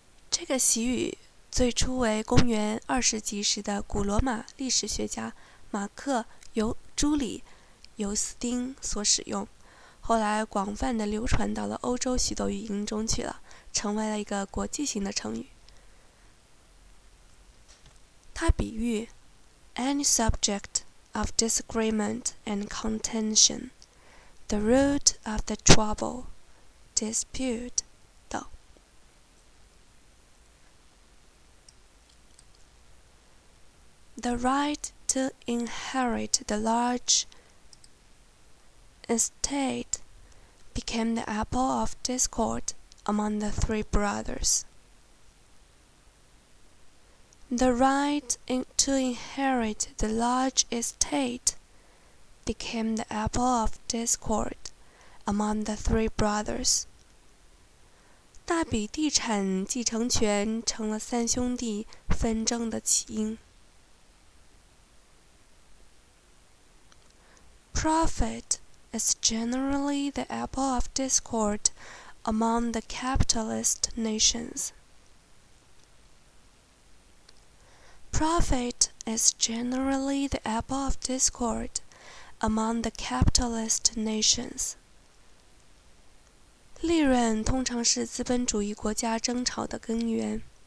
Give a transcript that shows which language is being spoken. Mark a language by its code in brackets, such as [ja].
[zh] 这个习语最初为公元二世纪时的古罗马历史学家马克·尤斯丁所使用，后来广泛地流传到了欧洲许多语音中去了，成为了一个国际性的成语。它比喻 [en] any subject of disagreement and contention, the root of the trouble, dispute 等。 The right to inherit the large estate became the apple of discord among the three brothers. The right to inherit the large estate became the apple of discord among the three brothers. [zh] 大笔地产继承权成了三兄弟纷争的起因。 [en] Profit is generally the apple of discord among the capitalist nations. Profit is generally the apple of discord among the capitalist nations. [zh] 利润通常是资本主义国家争吵的根源。